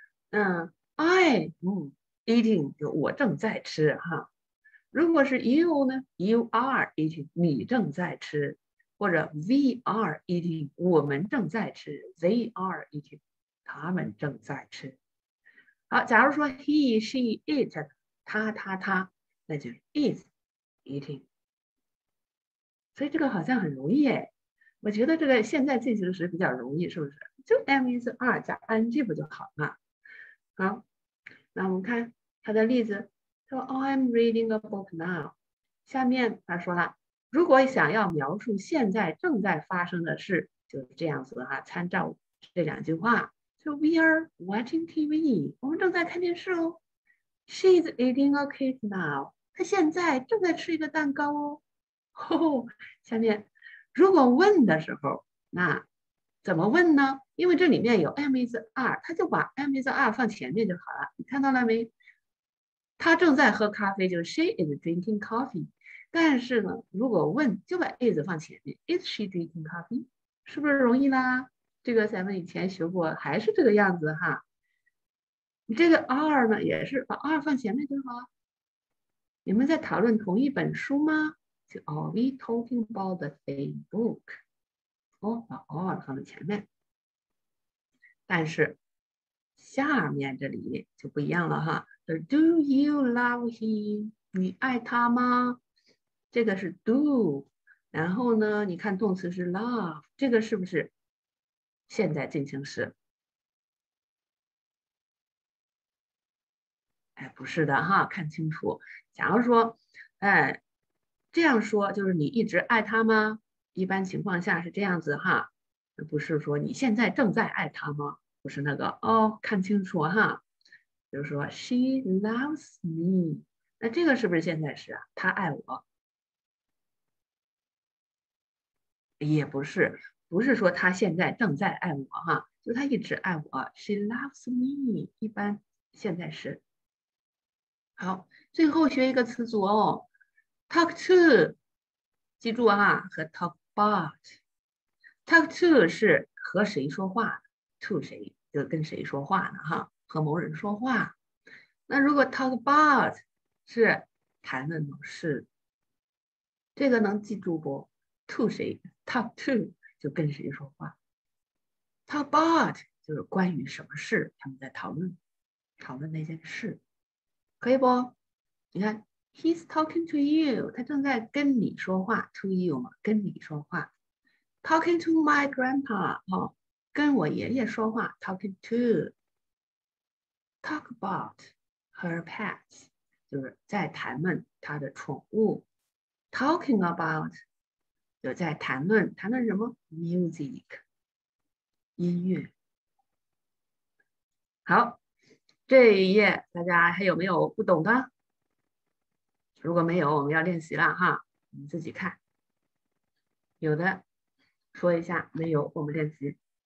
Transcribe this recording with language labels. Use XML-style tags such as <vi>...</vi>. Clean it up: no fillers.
<zh>那 eating 就我正在吃哈。如果是 you 呢，</zh> <en>you are eating，</en> <zh>你正在吃，或者</zh> <en>we are eating，</en> <zh>我们正在吃，</zh> <en>they are eating，</en> <zh>他们正在吃。好，假如说 he she it 他那就是</zh> <en>is eating。</en> <zh>所以这个好像很容易耶，我觉得这个现在进行时比较容易，是不是就 am is are 加 ing 不就好了。好，那我们看他的例子，他说</zh> <en>I'm reading a book now，</en> <zh>下面他说了如果想要描述现在正在发生的事就是这样子哈，参照这两句话，就</zh> <en>we are watching TV，</en> <zh>我们正在看电视哦。</zh> <en>She's eating a cake now，</en> <zh>她现在正在吃一个蛋糕哦。下面如果问的时候那怎么问呢，因为这里面有 am is are， 他就把 am is are 放前面就好了，你看到了没，他正在喝咖啡，就是</zh> <en>she is drinking coffee。</en> <zh>但是呢，如果问，就把 is 放前面 ，</zh> <en>is she drinking coffee？</en> <zh>是不是容易啦？这个咱们以前学过，还是这个样子哈。你这个 are 呢，也是把 are 放前面就好。你们在讨论同一本书吗？</zh> <en>就 are we talking about the same book？</en> <zh>哦，把 are 放在前面。但是下面这里就不一样了哈。</zh> <en>Do you love him？</en> <zh>你爱他吗？这个是 do， 然后呢，你看动词是 love， 这个是不是现在进行时？哎，不是的哈，看清楚。假如说，哎，这样说就是你一直爱他吗？一般情况下是这样子哈，不是说你现在正在爱他吗？不是那个哦，看清楚哈。比如说</zh> <en>she loves me，</en> <zh>那这个是不是现在时啊？他爱我？也不是，不是说他现在正在爱我哈，就他一直爱我。</zh> <en>She loves me，</en> <zh>一般现在时。好，最后学一个词组哦 ，talk to， 记住哈，和 talk about。 talk to 是和谁说话 ，to 谁就跟谁说话呢哈，和某人说话。那如果 talk about 是谈论某事，这个能记住不？ to 谁 ？talk to 就跟谁说话 ，talk about 就是关于什么事，他们在讨论，讨论那件事，可以不？你看 ，</zh> <en>he's talking to you，</en> <zh>他正在跟你说话 ，to you 嘛，跟你说话 ，</zh> <en>talking to my grandpa</en> <zh>哦，跟我爷爷说话 ，talking to，</zh> <en>talk about her pets</en> <zh>就是在谈论他的宠物 ，talking about。有在谈论，谈论什么 ？music， 音乐。好，这一页大家还有没有不懂的？如果没有，我们要练习了哈，你自己看。有的说一下，没有我们练习。</zh>